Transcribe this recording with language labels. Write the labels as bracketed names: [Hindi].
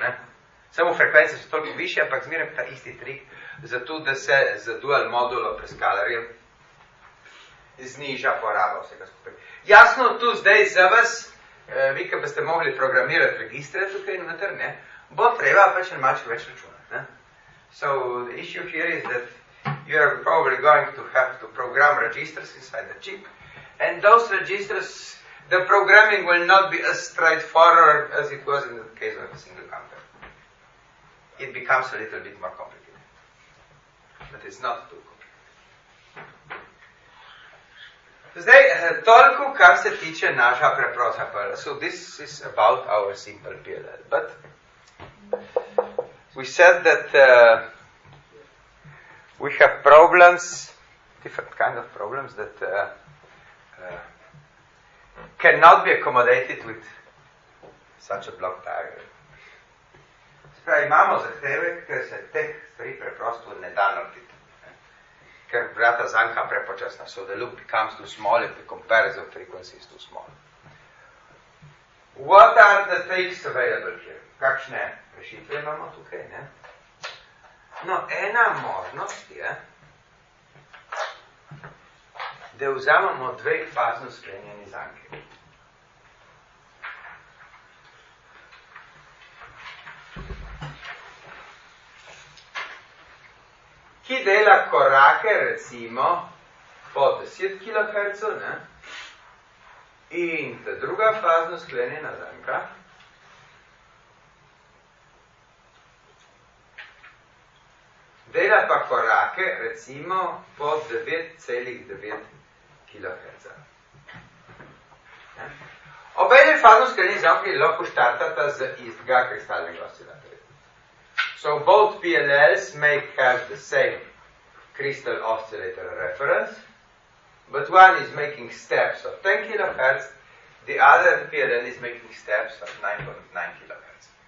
[Slovenian] Ne? Samo frekvence so toliko više, ampak zmeram ta isti trik, zato da se za dual modulo preskalarjem zniža poraba vsega skupaj. Jasno, tu zdaj za vas, vi, ki boste mogli programirati registre tukaj noter, ne? Bo treba pa še malo več računati. Ne? [English] So, the issue here is that you are probably going to have to program registers inside the chip, and those registers, the programming will not be as straightforward as it was in the case of a single counter. It becomes a little bit more complicated. But it's not too complicated. [Slovenian] Zdaj, toliko, kar se tiče naša preprosta PLL. [English] So, this is about our simple PLL. But we said that we have problems, different kind of problems, that cannot be accommodated with such a block diagram. [Slovenian] Spravi, imamo zahteve, ker se teh stvari preprosto ne da narediti. Ker vrata zanka prepočasna, [English] so the loop becomes too small if the comparison frequency is too small. What are the tricks available here? [Slovenian] Kakšne rešitve imamo tukaj, ne? No, ena možnost je, da vzamemo dve fazno sklenjeni zanke. Ki dela korake, recimo, po 10 kHz, ne? In ta druga fazno sklenjena zanka, dela pa korake, recimo, po 9,9 kHz. Obeden fazno skrenjen zamk je lahko štartata z istega kristalnega oscilatorja. [English] So both PLLs may have the same crystal oscillator reference, but one is making steps of 10 kHz, the other PLL is making steps of 9.9 kHz.